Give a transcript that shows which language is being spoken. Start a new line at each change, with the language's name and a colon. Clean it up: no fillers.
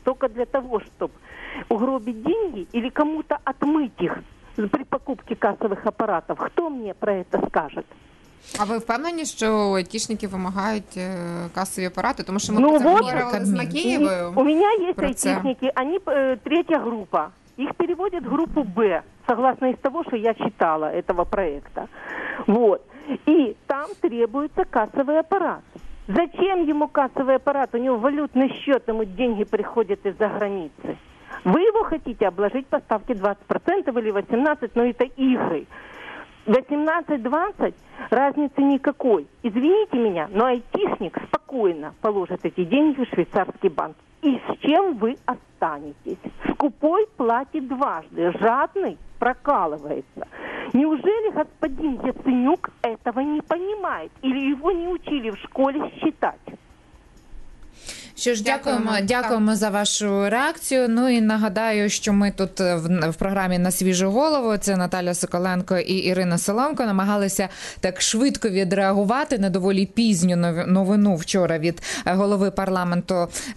Russian: Только для того, чтобы угробить деньги или кому-то отмыть их при покупке кассовых аппаратов? Кто мне про это скажет?
Ukrainian: А ви впевнені, що айтішники вимагають касові апарати? Тому що ми розмовляли з Макеєвою. У мене є айтішники, вони третя група. Їх переводять в групу Б,
Russian: согласно
Ukrainian: із того, що я читала цього проєкту. Вот. І там требується касовий апарат.
Russian: Зачем
Ukrainian: йому касовий апарат? У нього валютний счет, йому гроші приходять із-за границі. Ви його хочете обложити по ставці 20% або 18%, але це ігри.
Russian: 18-20 разницы никакой. Извините меня, но айтишник спокойно положит эти деньги в швейцарский банк. И с чем вы останетесь? Скупой платит дважды, жадный прокалывается. Неужели господин Яценюк этого не понимает? Или его не учили в школе считать?
Ukrainian: Що ж, дякуємо за вашу реакцію. Ну і нагадаю, що ми тут в програмі «На свіжу голову», це Наталя Соколенко і Ірина Соломко, намагалися так швидко відреагувати на доволі пізню новину вчора від голови парламенту